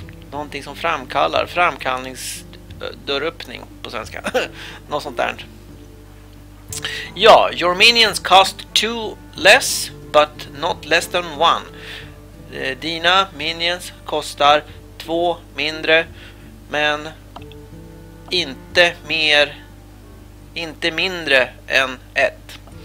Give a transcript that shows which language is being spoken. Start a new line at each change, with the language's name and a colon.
Swedish: Någonting som framkallar. Framkallningsdörröppning på svenska. Något sånt där.
English: Ja, your minions cost two less, but not less than one.
Swedish: Dina minions kostar två mindre, men inte mer, inte mindre än ett.